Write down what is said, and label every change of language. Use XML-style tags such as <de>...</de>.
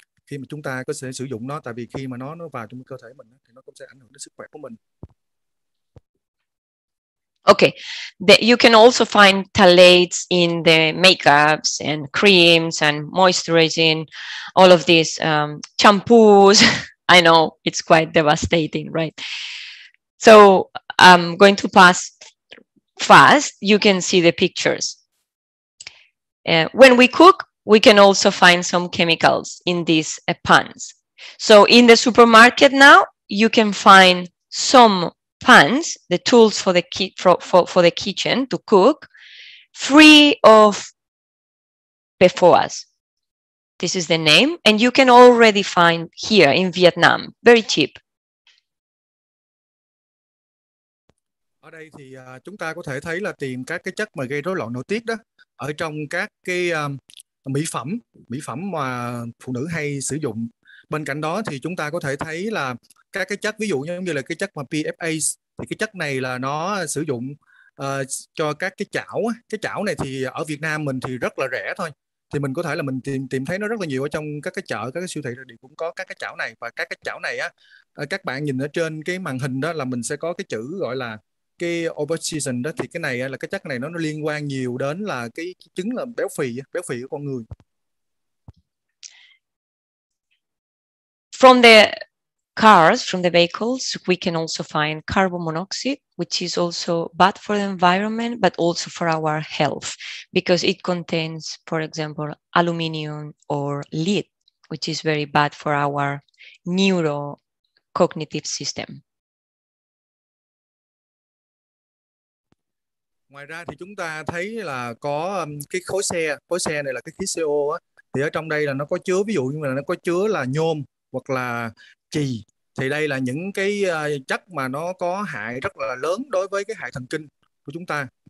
<vi>khi mà chúng ta có thể sử dụng nó, tại vì khi mà nó vào trong cơ thể mình thì nó cũng sẽ ảnh hưởng đến sức khỏe của mình.</vi> <en>Okay, you can also find phthalates in the makeups and creams and moisturizing, all of these shampoos. I know it's quite devastating, right? So I'm going to pass fast. You can see the pictures. When we cook, we can also find some chemicals in these pans. So in the supermarket now, you can find some pans, the tools for the for the kitchen to cook, free of PFOAs. This is the name, and you can already find here in Vietnam, very cheap.</en> <vi>Ở đây thì chúng ta có thể thấy là tìm các cái chất mà gây rối loạn nội tiết đó ở trong các cái mỹ phẩm mà phụ nữ hay sử dụng. Bên cạnh đó thì chúng ta có thể thấy là các cái chất ví dụ như là cái chất mà PFAS, thì cái chất này là nó sử dụng cho các cái chảo. Cái chảo này thì ở Việt Nam mình thì rất là rẻ thôi, thì mình có thể là mình tìm thấy nó rất là nhiều ở trong các cái chợ, các cái siêu thị thì cũng có các cái chảo này. Và các cái chảo này á, các bạn nhìn ở trên cái màn hình đó là mình sẽ có cái chữ gọi là cái overseason đó, thì cái này là cái chất này nó liên quan nhiều đến là cái chứng là béo phì của con người.</vi> <en>From the cars, from the vehicles, we can also find carbon monoxide, which is also bad for the environment, but also for our health, because it contains, for example, aluminium or lead, which is very bad for our neurocognitive system.</en> <vi>Ngoài ra thì chúng ta thấy là có cái khối xe này là cái khí CO á, thì ở trong đây là nó có chứa, ví dụ như là nó có chứa là nhôm hoặc là chì, thì đây là những cái chất mà nó có hại rất là lớn đối với cái hệ thần kinh của chúng ta.</vi>